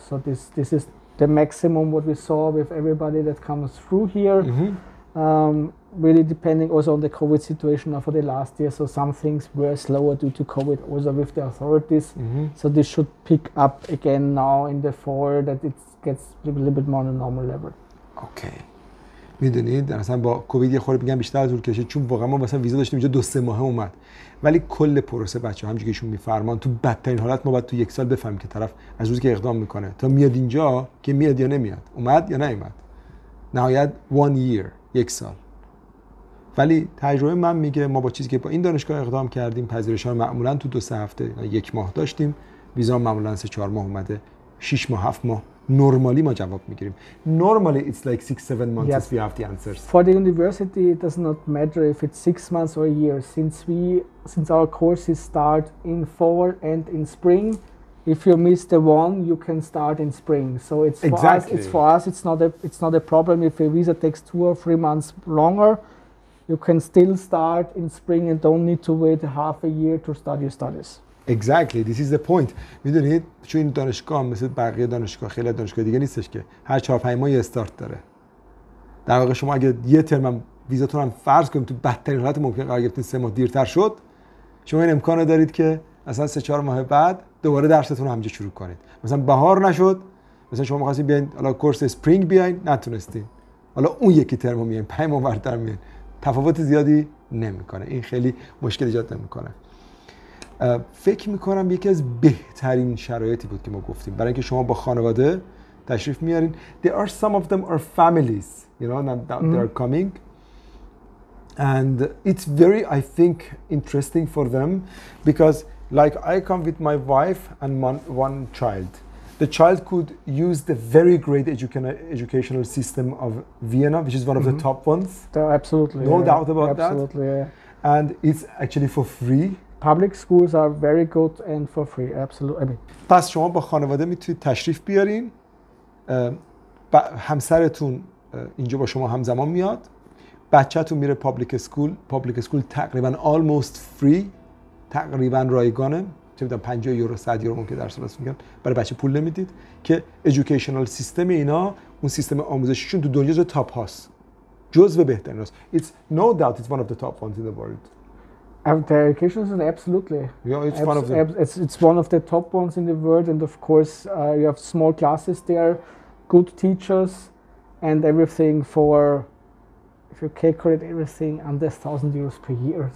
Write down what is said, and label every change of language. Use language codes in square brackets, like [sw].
[en] So this is the maximum what we saw with everybody that comes through here. Mm-hmm. Really depending also on the COVID situation for the last year. So some things were slower due to COVID also with the authorities. Mm-hmm. So this should pick up again now in the fall that it gets a little bit more on a normal level. Okay. [fa] میدونید مثلا با کووید یه خورده میگم بیشتر طول کشه، چون واقعا ما مثلا ویزا داشتیم اینجا 2-3 ماه اومد، ولی کل پروسه بچه همونجوری که ایشون میفرمان تو بدترین حالت ما بعد تو یک سال بفهمیم که طرف از روزی که اقدام میکنه تا میاد اینجا که میاد یا نمیاد، اومد یا نیومد، نهایت [en] 1 year، [fa] یک سال. ولی تجربه من میگه ما با چیزی که با این دانشگاه اقدام کردیم، پذیرش ها معمولا تو 2-3 هفته یا 1 ماه داشتیم، ویزا معمولا 3-4 ماه اومده، 6 ماه 7 ماه normally ma jawab migirim. [en] Normally it's like 6-7 months. Yes. We have the answers for the university. It does not matter if it's 6 months or a year, since our courses start in fall and in spring. If you miss the one, you can start in spring, so it's exactly for us, it's not a problem. If a visa takes 2 or 3 months longer, you can still start in spring and don't need to wait half a year to start your studies. Exactly, this is the point. [fa] میدونید چون این دانشگاه مثل بقیه دانشگاه خیلی دانشگاه دیگه نیستش که هر 4-5 ماه یه استارت داره. در واقع شما اگه یه ترم ویزاتون هم فرض کنیم تو بدترین حالت ممکن قرار گرفتین 3 ماه دیرتر شد، شما این امکان رو دارید که اصلا 3-4 ماه بعد دوباره درستون رو همجا شروع کنید. مثلا بهار نشد، مثلا شما می‌خواستین بیاین حالا کورس اسپرینگ بیاین، نتونستین. حالا اون یکی ترمو میایین 5 ماه بعدتر میایین. تفاوت زیادی نمی‌کنه. این خیلی مشکل ایجاد نمی‌کنه. فکر میکنم یکی از بهترین شرایطی بود که ما گفتیم برای اینکه شما با خانواده تشریف میارین. [en] There are some of them are families, you know, and they are coming and it's very I think interesting for them because like I come with my wife and one child. The child could use the very great educational system of Vienna, which is one of the top ones. Absolutely. No doubt about absolutely, Absolutely. Yeah. And it's actually for free. Public schools are very good and for free, absolutely. I mean. [fa] پس شما با خانواده میتونید تشریف بیارین، همسرتون اینجا با شما همزمان میاد، بچهتون میره پابلیک سکول تقریبا [en] almost free، [fa] تقریبا رایگانه، چه میدونم 50 یورو 100 یورو ممکن درس بس میگن، برای بچه پول نمیدید، که educational سیستم اینا، اون سیستم آموزشیشون تو دنیا جز تاپ هاست، جز و بهترین هاست. [en] It's no doubt it's one of the top ones in the world. The education system, absolutely. Yeah, it's one of them. It's one of the top ones in the world, and of course, you have small classes there, good teachers, and everything for, if you calculate everything, under 1,000 euros per year.